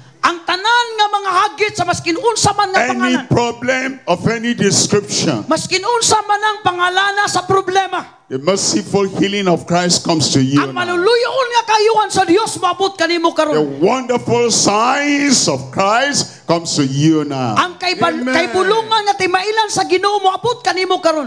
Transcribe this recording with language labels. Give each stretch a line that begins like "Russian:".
Cebuano: Ang tanan nga mga hagit sa maskin unsa man nga pangalan.
English: Any problem of any description.
Cebuano: Maskin unsa man ang pangalana sa problema.
English: The merciful healing of Christ comes to you.
Cebuano: Ang maluluyon nga kayuhan sa Dios maabot kanimo karon.
English: The wonderful signs of Christ comes to you now.
Cebuano: Ang kaybulungan nga timailan sa Ginoo maabot kanimo karon.